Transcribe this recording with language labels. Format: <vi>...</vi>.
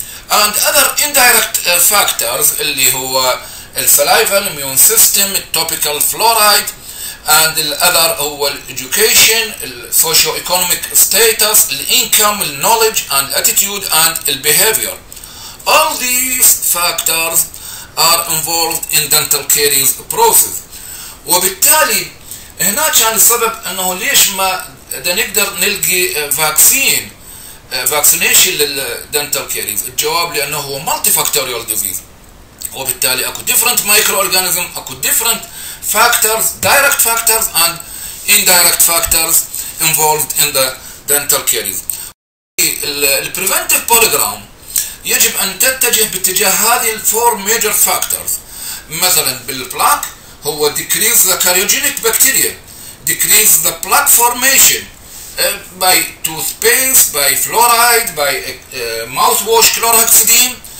<en>And other indirect factors.</en> <ar>اللي هو</ar> <en>saliva, immune system, topical fluoride, and the other هو education, socio-economic status, income, knowledge, and attitude, and behavior. All these factors are involved in dental caries process.</en> <ar>وبالتالي هنا كان السبب انه ليش ما نقدر نلقي فاكسين فاكسينيشن للدنتال كاريز. الجواب لانه هو</ar> <en>multifactorial disease</en> <ar>وبالتالي اكو</ar> <en>Different microorganism اكو different factors, direct factors and indirect factors involved in the dental caries.</en> <ar>البريفنتيف بوليجرام يجب ان تتجه باتجاه هذه</ar> <en>الفور major factors.</en> <ar>مثلا بالبلاك هو</ar> <en>decrease the cariogenic bacteria, decrease the plaque formation by toothpaste, by fluoride, by mouthwash chlorhexidine.</en>